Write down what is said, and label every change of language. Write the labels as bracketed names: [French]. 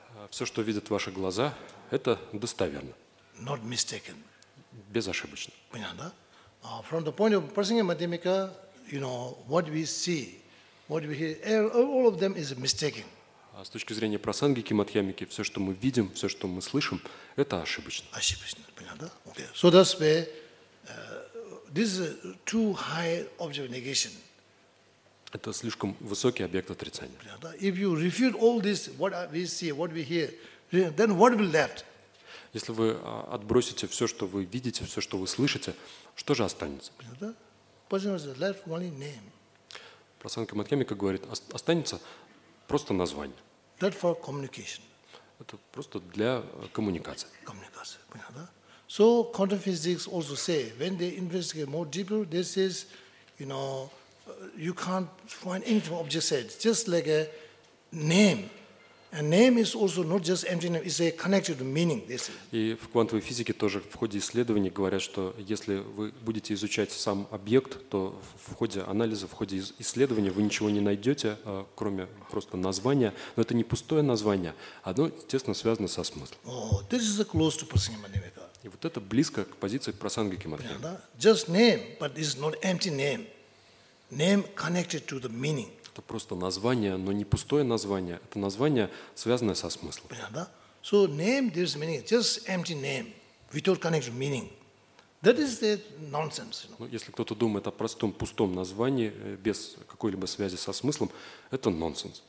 [Russian] Все, что видят ваши глаза, это достоверно. [English] Not mistaken. [Russian] Безошибочно. Понятно? [English] From the point of Prasanga Madhyamika, you know, what we see, what we hear, all of them is mistaken. [Russian] С точки зрения Прасангики Мадхьямики, все, что мы видим, все, что мы слышим, это ошибочно. Ошибочно, понятно? Okay. [English] So that's where this is too high object negation. [Russian] Это слишком высокий объект отрицания. [English] If you refute all this, what we see, what we hear, then what will left? [Russian] Если вы отбросите все, что вы видите, все, что вы слышите, что же останется? Останется [English] left only name. [Russian] Прасанга Мадхьямика говорит, останется просто название. [English] That for communication. [Russian] Это просто для коммуникации. Коммуникация, понятно? [English] So quantum physics also say when they investigate more deeper, they says, you know, you can't find anything object said, just like a name. A name is also not just empty name; it's a connected meaning. They say. [Russian] И в квантовой физике тоже в ходе исследований говорят, что если вы будете изучать сам объект, то в ходе анализа, в ходе исследования вы ничего не найдете, кроме просто названия. Но это не пустое название, оно тесно связано со смыслом. [English] Oh, this is a close to Prasanga Madhyamika. [Russian] И вот это близко к позиции Прасангики Мадхьямики. [English] Just name, but it's not empty name. Name connected to the meaning. [Russian] Это просто название, но не пустое название. Это название, связанное со смыслом. Понятно? [English] So name, there's meaning. Just empty name, without connected meaning. That is the nonsense. You know? [Russian] Если кто-то думает о простом, пустом названии, без какой-либо связи со смыслом, это нонсенс.